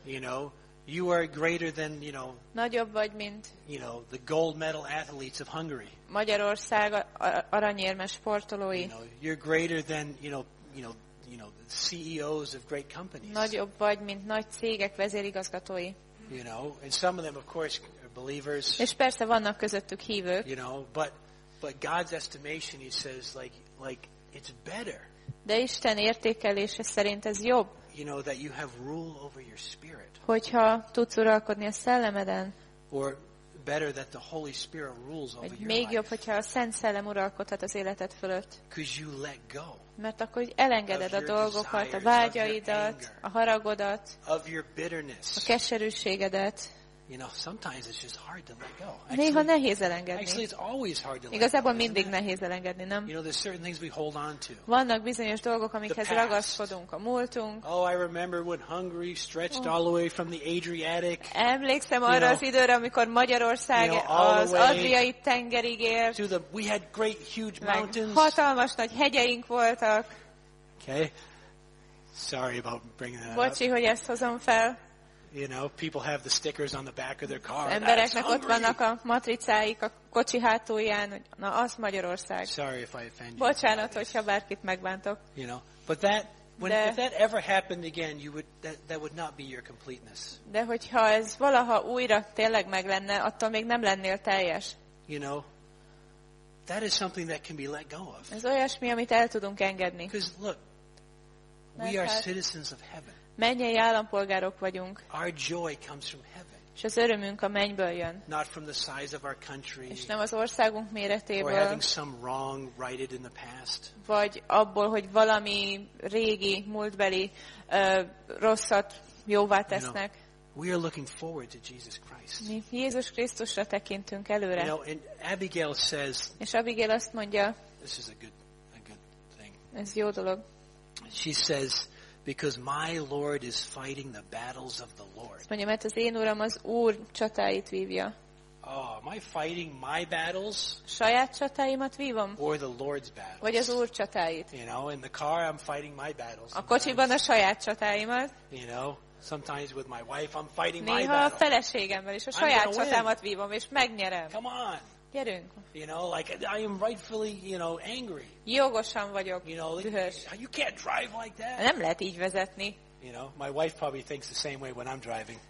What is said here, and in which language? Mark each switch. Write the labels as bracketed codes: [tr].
[en] You know, you are greater than, you know. [hu] Nagyobb vagy, mint. [en] You know, the gold medal athletes of Hungary. [hu] Magyarország aranyérmes sportolói. [en] You know, you're greater than, you know, the CEOs of great companies. [hu] Nagyobb vagy, mint nagy cégek vezérigazgatói. [en] You know, and some of them, of course, are believers. [hu] És persze vannak közöttük hívők. [en] You know, but God's estimation, he says, like it's better. [hu] De Isten értékelése szerint ez jobb. [en] You know, that you have rule over your spirit. [hu] Hogyha tudsz uralkodni a szellemeden. [en] Or better that the Holy Spirit rules over your life. [hu] Még jobb, hogyha a Szent Szellem uralkodhat az életed fölött. [en] Because you let go. [hu] Mert akkor elengeded a dolgokat, a vágyaidat, a haragodat, [en] of your bitterness. [hu] A keserűségedet. [en] You know, sometimes it's just hard to let go. [hu] Néha nehéz elengedni. [en] Actually, it's always hard to let go. [hu] Igazából mindig nehéz elengedni, nem? [en] You know, there's certain things we hold on to. [hu] Vannak bizonyos dolgok, amikhez ragaszkodunk, a múltunk. [en] Oh, I remember when Hungary stretched all the way from the Adriatic. [hu] Emlékszem arra az időre, amikor Magyarország az Adriai tengerig ért. [en] We had great huge mountains. [hu] Hatalmas nagy hegyeink voltak. [en] Okay. Sorry about bringing that up. [hu] Bocsi, hogy ezt hozom fel. [en] You know, people have the stickers on the back of their car. [hu] Embereknek ott vannak a matricáik a kocsi hátulján, hogy na, az Magyarország. [en] Sorry if I offend you. [hu] Bocsánat, hogyha bárkit megbántok. [en] You know, but that when if that ever happened again, you would that would not be your completeness. [hu] De hogyha ez valaha újra tényleg meg lenne, attól még nem lennél teljes. [en] You know, that is something that can be let go of. [hu] Ez olyasmi, amit el tudunk engedni. [en] Because look, we are citizens of heaven. [hu] Mennyei állampolgárok vagyunk. [en] Our joy comes from heaven. [hu] És az örömünk a mennyből jön. [en] Not from the size of our country. [hu] És nem az országunk méretéből. [en] Or having some wrong righted in the past. [hu] Vagy abból, hogy valami régi múltbeli rosszat jóvá tesznek. [en] You know, we are looking forward to Jesus Christ. [hu] Mi Jézus Krisztusra tekintünk előre. [en] You know, and Abigail says. [hu] És Abigail azt mondja. [en] This is a good thing. [hu] Ez jó dolog. [en] She says, because my Lord is fighting the battles of the Lord. [hu] Mondja, mert az én Uram az Úr csatáit vívja. [en] Oh, am I fighting my battles? [hu] Saját csatáimat vívom. [en] Or the Lord's battles? [hu] Vagy az Úr csatáit. [en] You know, in the car I'm fighting my battles. [hu] A kocsiban a saját csatáimat. [en] You know, sometimes with my wife I'm fighting [hu] néha [en] my battles. [hu] Néha a feleségemmel is a saját csatámat vívom és megnyerem. [en] Come on. [hu] Gyerünk. [en] You know, like I am rightfully, you know, angry. [hu] Jogosan vagyok. [en] You know, [hu] dühös. [en] You can't drive like that. [hu] Nem lehet így vezetni. [en] You know, my wife probably thinks the same way when I'm driving.